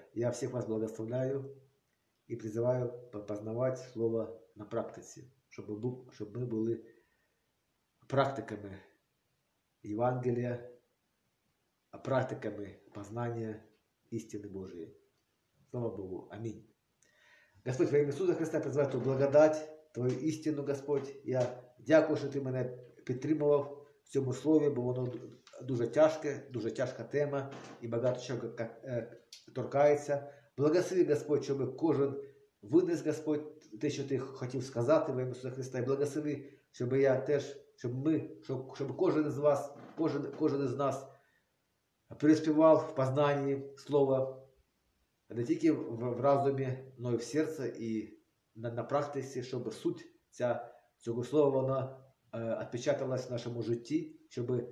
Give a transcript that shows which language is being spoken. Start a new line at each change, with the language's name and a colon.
Ukrainian: Я всіх вас благословляю і призиваю познавати слово на практиці. Щоб ми були практиками Євангелія, практиками познання істини Божої. Слава Богу. Амінь.
Russian: Господь, во имя Иисуса Христа, призываю Твою благодать, Твою истину, Господь.
Ukrainian: Я дякую, що Ти мене підтримував в цьому слові, бо воно дуже тяжке, дуже тяжка тема і багато чого торкається. Благослови, Господь, щоб кожен винес, Господь, те, що Ти хотів сказати во ім'я Ісуса Христа, і благослови, щоб я теж, щоб ми, щоб кожен з вас, кожен із нас переспівав в познанні Слова не тільки в разумі, але й в серці і на практиці, щоб суть цього слова вона відпечаталась в нашому житті, щоб